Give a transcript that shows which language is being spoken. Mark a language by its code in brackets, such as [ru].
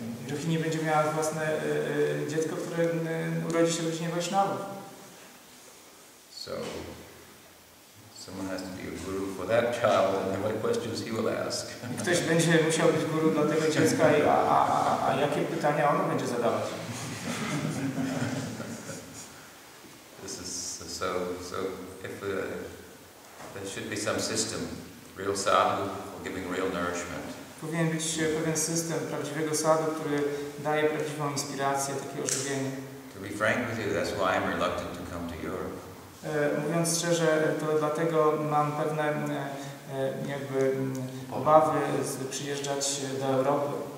[pl] Rohini będzie miała własne dziecko, które urodzi się w rodzinie Vaishnava. [en] So, someone has to be a guru for that child, and what questions he will ask. [pl] Ktoś będzie musiał być guru dla tego dziecka, a jakie pytania ono będzie zadawać? [en] This is So if there should be some system, real sadhu giving real nourishment. [pl] Powinien być pewien system prawdziwego sadhu, który daje prawdziwą inspirację, takie ożywienie. [en] To be frank with you, that's why I'm reluctant to come to Europe. [pl] Mówiąc szczerze, to dlatego mam pewne jakby obawy z przyjeżdżać do Europy.